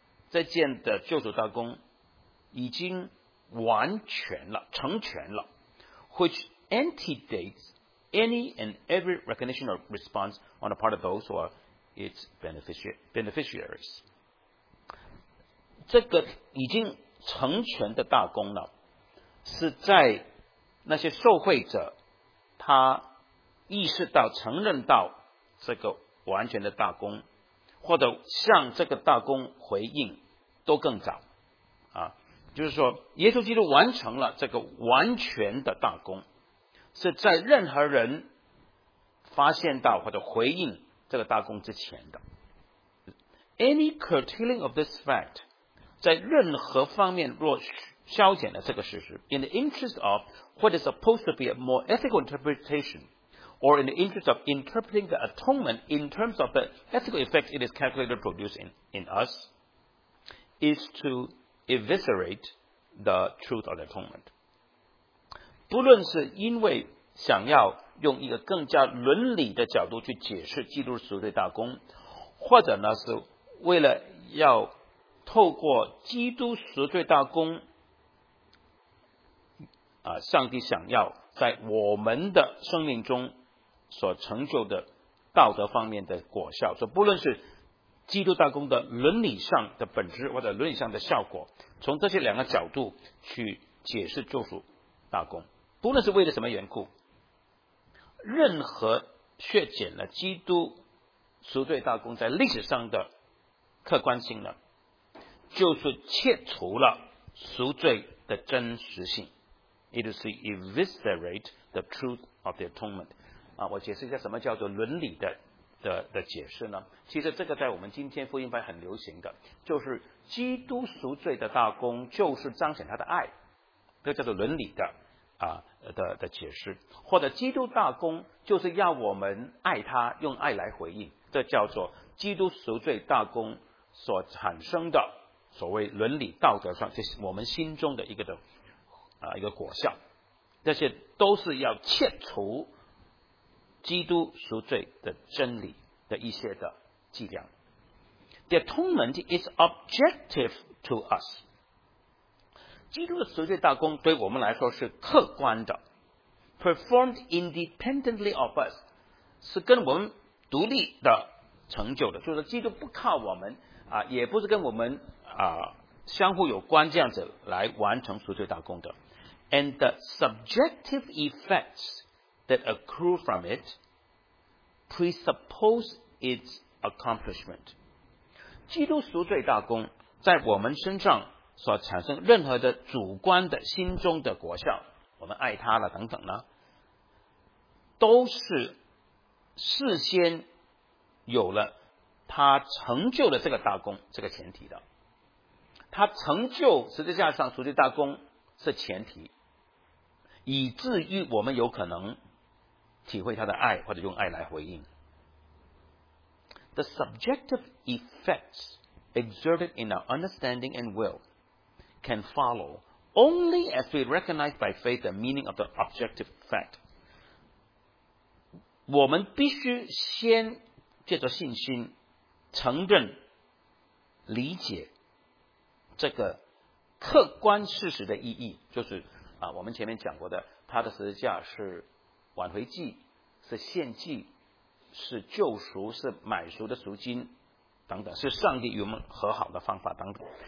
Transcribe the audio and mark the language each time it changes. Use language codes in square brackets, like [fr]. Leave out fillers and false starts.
[zh] 这件的救赎大功已经完全了，成全了， [en] which antedates any and every recognition or response on the part of those who are its beneficiaries. [zh] 这个已经成全的大功呢，是在那些受惠者他意识到承认到这个完全的大功或者向这个大功回应都更早啊。就是说耶稣基督完成了这个完全的大功，是在任何人发现到或者回应这个大功之前的。 [en] Any curtailing of this fact [zh] 在任何方面若消减了这个事实， [en] in the interest of what is supposed to be a more ethical interpretation, or in the interest of interpreting the atonement in terms of the ethical effects it is calculated to produce in us, is to eviscerate the truth of the atonement. [zh] 不论是因为想要用一个更加伦理的角度去解释基督赎罪大功，或者呢是为了要透过基督赎罪大功上帝想要在我们的生命中所成就的道德方面的果效，所以不论是基督大功的伦理上的本质或者伦理上的效果，从这些两个角度去解释救赎大功，不论是为了什么缘故，任何削减了基督赎罪大功在历史上的客观性呢，就是切除了赎罪的真实性。 [en] It is to eviscerate the truth of the atonement. [zh] 我解释一下什么叫做伦理的的解释呢？其实这个在我们今天福音派很流行的，就是基督赎罪的大功就是彰显他的爱，这叫做伦理的的解释，或者基督大功就是要我们爱他，用爱来回应，这叫做基督赎罪大功所产生的所谓伦理道德上，这是我们心中的一个的一个果效，这些都是要切除基督赎罪的真理的一些的伎俩。 [en] The atonement is objective to us。 [zh] 基督的赎罪大功对我们来说是客观的 ， [en] performed independently of us， [zh] 是跟我们独立的成就的，就是基督不靠我们也不是跟我们相互有关这样子来完成赎罪大功的。 [en] And the subjective effects that accrue from it presuppose its accomplishment。 [zh] 基督赎罪大功在我们身上所产生任何的主观的心中的果效，我们爱他了等等呢，都是事先有了他成就的这个大功这个前提的。他成就实际上赎罪大功是前提，以至于我们有可能体会他的爱或者用爱来回应。 [en] The subjective effects exerted in our understanding and will can follow only as we recognize by faith the meaning of the objective fact。 [zh] 我们必须先借着信心承认理解这个客观事实的意义，就是我们前面讲过的，他的十字架是挽回祭，是献祭，是救赎，是买赎的赎金等等，是上帝与我们和好的方法等等。